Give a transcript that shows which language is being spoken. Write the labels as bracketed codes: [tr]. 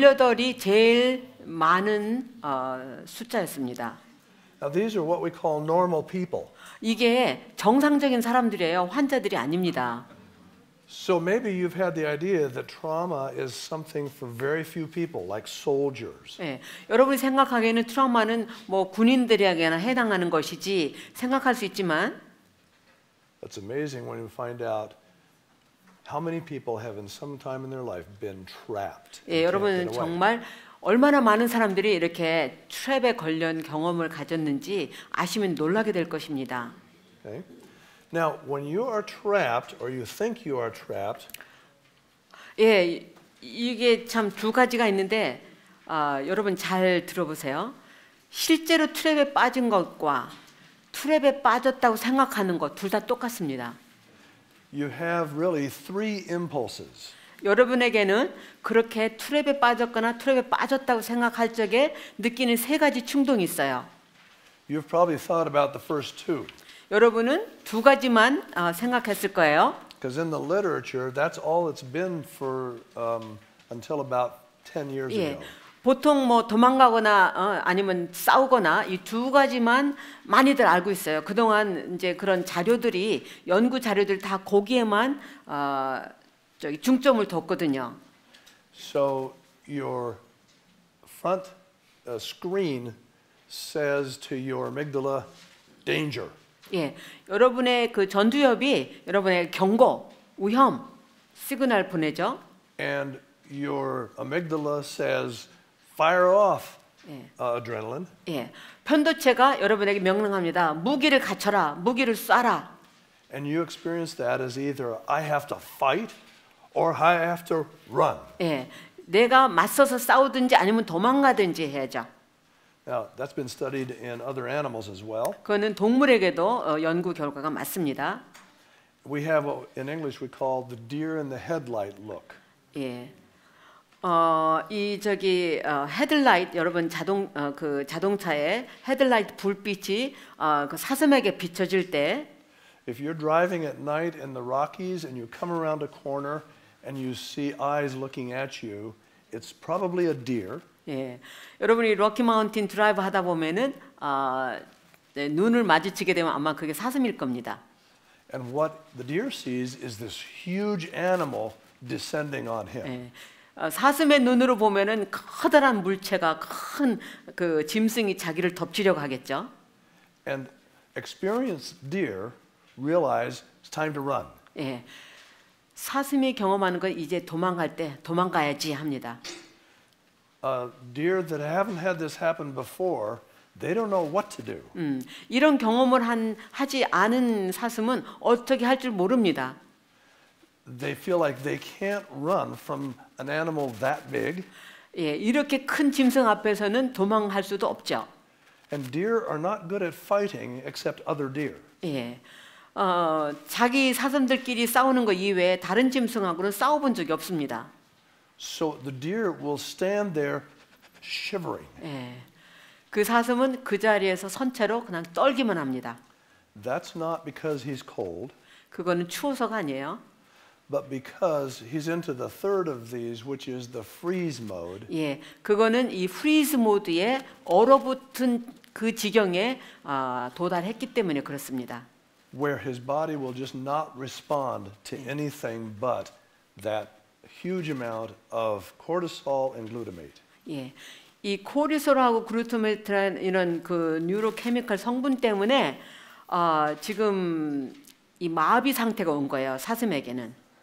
[ko] 18이 제일 많은 숫자였습니다. [en] Now these are what we call normal people. [ko] 이게 정상적인 사람들이에요. 환자들이 아닙니다. [en] So maybe you've had the idea that trauma is something for very few people, like soldiers. [ko] 예, 여러분이 생각하기에는 트라우마는 뭐 군인들에게나 해당하는 것이지 생각할 수 있지만. [en] It's amazing when you find out how many people have, in some time in their life, been trapped. [ko] 예, 여러분 정말 얼마나 많은 사람들이 이렇게 트랩에 걸린 경험을 가졌는지 아시면 놀라게 될 것입니다. [en] Okay. Now, when you are trapped or you think you are trapped, [ko] 예, 이게 참 두 가지가 있는데 여러분 잘 들어보세요. 실제로 트랩에 빠진 것과 트랩에 빠졌다고 생각하는 것 둘 다 똑같습니다. [en] You have really three impulses. [ko] 여러분에게는 그렇게 트랩에 빠졌거나 트랩에 빠졌다고 생각할 적에 느끼는 세 가지 충동이 있어요. [en] You've probably thought about the first two. [ko] 여러분은 두 가지만 생각했을 거예요. [en] Because in the literature, that's all it's been for until about 10 years [ko] 예, [en] ago. [ko] 보통 뭐 도망가거나 아니면 싸우거나 이 두 가지만 많이들 알고 있어요. 그동안 이제 그런 자료들이 연구 자료들 다 거기에만 저기 중점을 뒀거든요. [en] So your front screen says to your amygdala, danger. [ko] 예, 여러분의 그 전두엽이 여러분의 경고, 위험, 시그널 보내죠. [en] And your amygdala says, fire off, adrenaline. [ko] 예, 편도체가 여러분에게 명령합니다. 무기를 갖춰라, 무기를 쏴라. [en] And you experience that as either I have to fight. Or I have to run. [ko] 예, 내가 맞서서 싸우든지 아니면 도망가든지 해야죠. [en] Now that's been studied in other animals as well. [ko] 그거는 동물에게도 연구 결과가 맞습니다. [en] We have in English we call the deer in the headlight look. [ko] 예, 이 저기 헤드라이트 여러분 자동 그 자동차의 헤드라이트 불빛이 그 사슴에게 비춰질 때. [en] If you're driving at night in the Rockies and you come around a corner and you see eyes looking at you, it's probably a deer. [ko] 예, 여러분이 Rocky Mountain 드라이브 하다 보면은 네, 눈을 마주치게 되면 아마 그게 사슴일 겁니다. [en] And what the deer sees is this huge animal descending on him. [ko] 예, 사슴의 눈으로 보면은 커다란 물체가 큰 그 짐승이 자기를 덮치려고 하겠죠. [en] And experienced deer realize it's time to run. [ko] 예. 사슴이 경험하는 건 이제 도망갈 때 도망가야지 합니다. [en] Deer that haven't had this happen before, they don't know what to do. [ko] 이런 경험을 하지 않은 사슴은 어떻게 할 줄 모릅니다. [en] They feel like they can't run from an animal that big. [ko] 예, 이렇게 큰 짐승 앞에서는 도망갈 수도 없죠. [en] And deer are not good at fighting except other deer. [ko] 예. 자기 사슴들끼리 싸우는 것 이외에 다른 짐승하고는 싸워본 적이 없습니다. [en] So the deer will stand there shivering. [ko] 예, 그 사슴은 그 자리에서 선체로 그냥 떨기만 합니다. [en] That's not because he's cold. [ko] 그거는 추워서가 아니에요. [en] But because he's into the third of these, which is the freeze mode. [ko] 예, 그거는 이 freeze 모드에 얼어붙은 그 지경에 도달했기 때문에 그렇습니다. [en] Where his body will just not respond to anything but that huge amount of cortisol and glutamate. [ko] 예, 이 코르티솔하고 글루타메이트라는 이런 그 뉴로케미컬 성분 때문에 지금 이 마비 상태가 온 거예요, 사슴에게는.